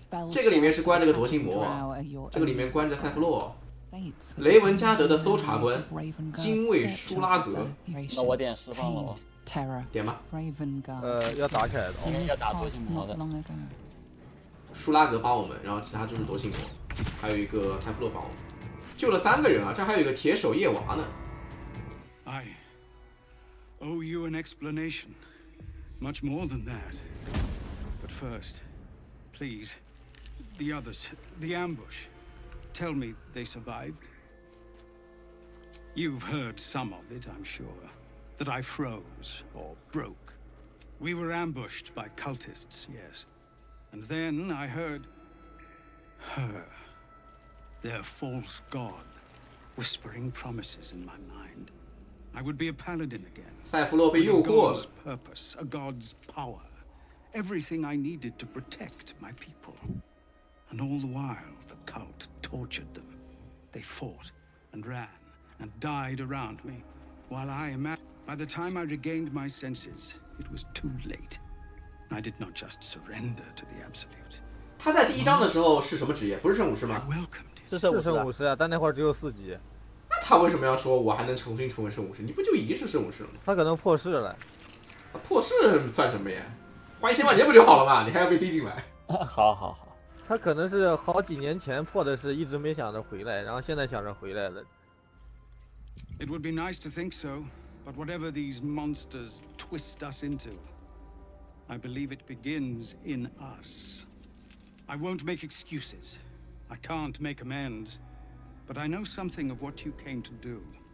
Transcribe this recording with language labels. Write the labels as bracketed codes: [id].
[zh] 这个里面是关着个夺心魔，这个里面关着塞弗洛，雷文加德的搜查官，精卫舒拉格。那我点释放了吗？点吧。要打起来的，要打夺心魔的。舒拉格帮我们，然后其他就是夺心魔，还有一个塞弗洛帮我们，救了三个人啊！这还有一个铁手夜娃呢。 [en] I owe you an explanation, much more than that. But first, please, the others, the ambush. Tell me they survived. You've heard some of it, I'm sure. That I froze or broke. We were ambushed by cultists, yes. And then I heard her, their false god, whispering promises in my mind. I would be a paladin again. [zh] 塞弗洛被诱惑了。 [en] A god's purpose, a god's power, everything I needed to protect my people. And all the while, the cult tortured them. They fought and ran and died around me, while I imagined. By the time I regained my senses, it was too late. I did not just surrender to the absolute. [zh] 他在第一章的时候是什么职业？不是圣武士吗？是圣武士啊，但那会儿只有四级。那他为什么要说我还能重新成为圣武士？你不就已经是圣武士了吗？他可能破世了。啊、破世算什么呀？花一千万年不就好了吗？你还要被逼进来？好好好，他可能是好几年前破的事，一直没想着回来，然后现在想着回来了。 [en] It would be nice to think so, but whatever these monsters twist us into. I believe it begins in us. I won't make excuses. I can't make amends. But I know something of what you came to do.